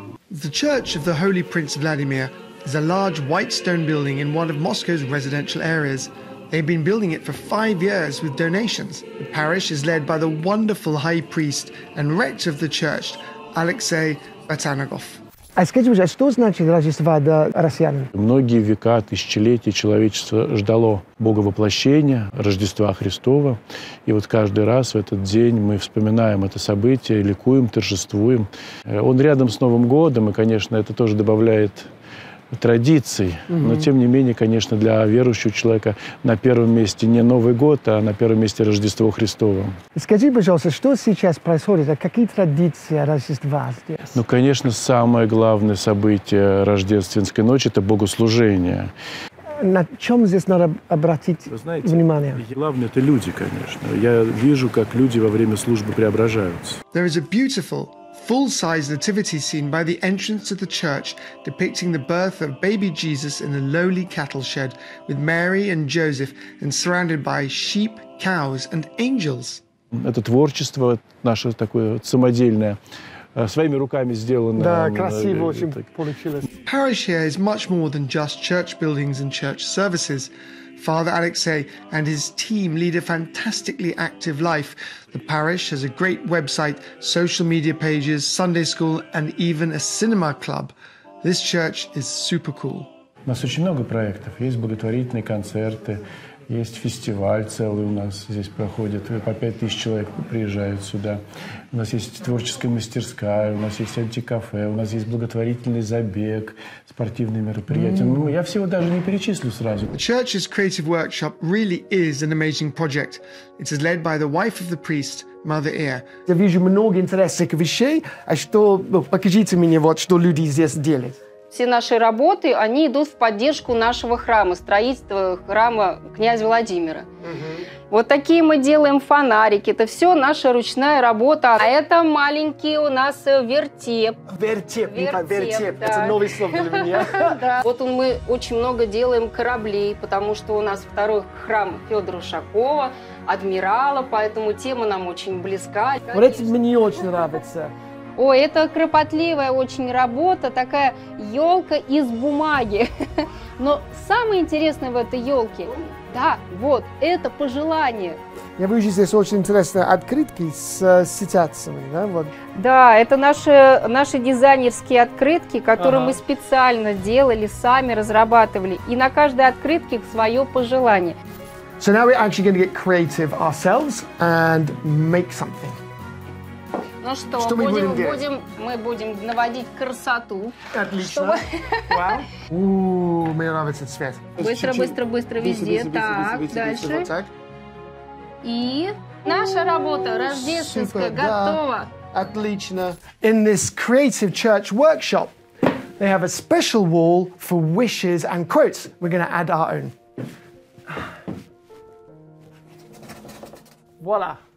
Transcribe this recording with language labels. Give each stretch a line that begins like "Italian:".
English: The Church of the Holy Prince Vladimir is a large white stone building in one of Moscow's residential areas. They've been building it for 5 years with donations. The parish is led by the wonderful high priest and rector of the church, Alexei Batanagov.
Russian: А скажите, пожалуйста, что значит Рождество для россиян? Многие века, тысячелетия человечество ждало Бога воплощения, Рождества Христова. И вот каждый раз в этот день мы вспоминаем это событие, ликуем, торжествуем. Он рядом с Новым годом, и, конечно, это тоже добавляет традиций. Но, тем не менее, конечно, для верующего человека на первом месте не Новый год, а на первом месте Рождество Христово. Скажи, пожалуйста, что сейчас происходит? А какие традиции Рождества здесь? Ну, конечно, самое главное событие рождественской ночи – это богослужение. На чем здесь надо обратить внимание? Главное – это люди, конечно. Я вижу, как люди во время службы преображаются.
English: There is a beautiful full-size nativity scene by the entrance to the church depicting the birth of baby Jesus in a lowly cattle shed with Mary and Joseph and surrounded by sheep, cows and angels.
Russian: Это творчество наше такое самодельное, своими руками сделанное. Да, красиво очень получилось.
English: The parish here is much more than just church buildings and church services. Father Alexei and his team lead a fantastically active life. The parish has a great website, social media pages, Sunday school, and even a cinema club. This church is super cool.
Russian: У нас очень много проектов. Есть благотворительные концерты, есть фестиваль целый у нас здесь проходит. По 5000 человек приезжают сюда. У нас есть творческая мастерская, у нас есть антикафе, у нас есть благотворительный забег, спортивные мероприятия. Mm. Я всего даже не перечислю сразу.
English: The church's creative workshop really is an amazing project. It is led by the wife of the priest, Mother Ear.
Russian: Я вижу много интересных вещей. А что, покажите мне, вот, что люди здесь делают. Все наши работы, они идут в поддержку нашего храма, строительство храма князя Владимира. Вот такие мы делаем фонарики. Это все наша ручная работа. А это маленький у нас вертеп. Вертеп, вертеп. Да. Это новое слово для меня. Вот мы очень много делаем кораблей, потому что у нас второй храм Федора Ушакова, адмирала, поэтому тема нам очень близка. Вот это мне очень нравится. Ой, это кропотливая очень работа, такая елка из бумаги. Но самое интересное в этой елке, да, вот, это пожелание. Я вижу здесь очень интересные открытки с сетятцами, да, вот. Да, это наши дизайнерские открытки, которые мы специально делали, сами разрабатывали. И на каждой открытке свое пожелание.
English: So now we're actually going to get creative ourselves and make something.
Russian: Ну что, что мы будем наводить красоту. Отлично. Вау. Мне нравится этот цвет. Быстро везде. Так, дальше. И наша работа рождественская готова. Отлично.
English: In this creative church workshop, they have a special wall for wishes and quotes. We're going to add our own.
French: Voila.